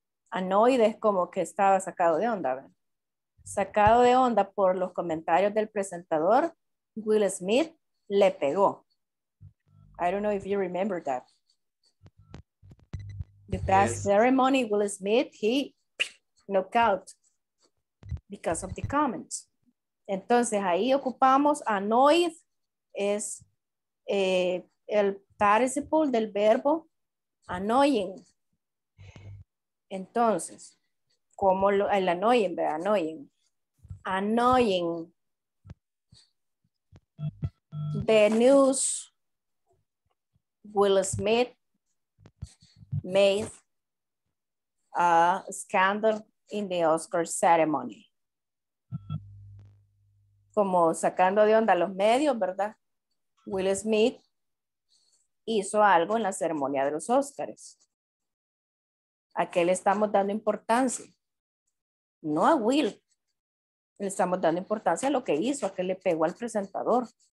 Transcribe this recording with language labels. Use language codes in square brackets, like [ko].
[es] Annoyed es como que estaba sacado de onda, ¿verdad? Sacado de onda por los comentarios del presentador, Will Smith le pegó. [en] I don't know if you remember that. The past ceremony, Will Smith, he knocked out because of the comments. [es] Entonces ahí ocupamos annoyed, es el participle del verbo annoying. Entonces, como el annoying, ¿verdad? Annoying. Annoying. [en] The news Will Smith made a scandal in the Oscar ceremony. [es] Como sacando de onda a los medios, ¿verdad? Will Smith hizo algo en la ceremonia de los Oscars. ¿A qué le estamos dando importancia? No a Will. Le estamos dando importancia a lo que hizo, a que le pegó al presentador.